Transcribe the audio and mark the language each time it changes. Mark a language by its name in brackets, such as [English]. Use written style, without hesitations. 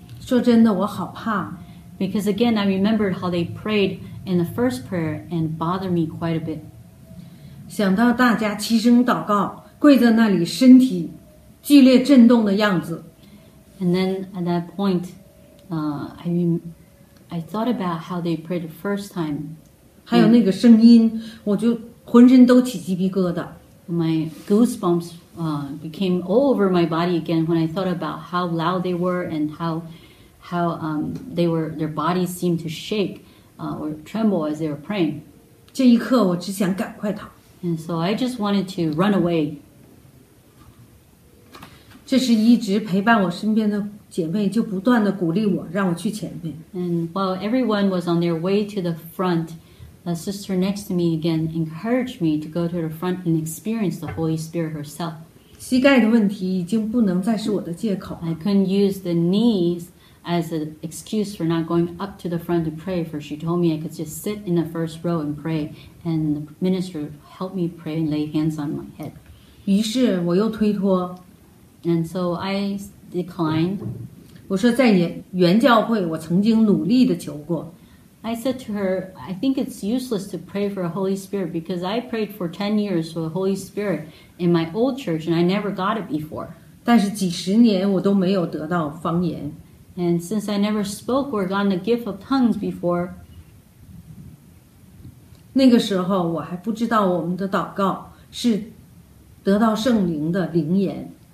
[Chinese] 说真的我好怕。 [English] Because again, I remembered how they prayed in the first prayer and bothered me quite a bit. [Chinese] 想到大家齐声祷告，跪在那里，身体剧烈震动的样子。 [English] And then at that point, I thought about how they prayed the first time. [Chinese] 还有那个声音，我就浑身都起鸡皮疙瘩。 [English] My goosebumps became all over my body again when I thought about how loud they were and how their bodies seemed to shake or tremble as they were praying. [Chinese] 这一刻，我只想赶快逃。 [English] And so I just wanted to run away. [Chinese] 这是一直陪伴我身边的姐妹就不断地鼓励我，让我去前面。 [English] And while everyone was on their way to the front, a sister next to me again encouraged me to go to the front and experience the Holy Spirit herself. [Chinese] 膝盖的问题已经不能再是我的借口。 [English] I couldn't use the knees as an excuse for not going up to the front to pray, for she told me I could just sit in the first row and pray, and the minister helped me pray and lay hands on my head. [Chinese] 于是我又推脱。 [English] And so I declined. [Chinese] 我说在原教会我曾经努力地求过。 [English] I said to her, I think it's useless to pray for a Holy Spirit because I prayed for 10 years for the Holy Spirit in my old church and I never got it before. [Chinese] 但是几十年我都没有得到方言。 [English] And since I never spoke or gotten the gift of tongues before, [Chinese] 那个时候我还不知道我们的祷告是得到圣灵的灵言。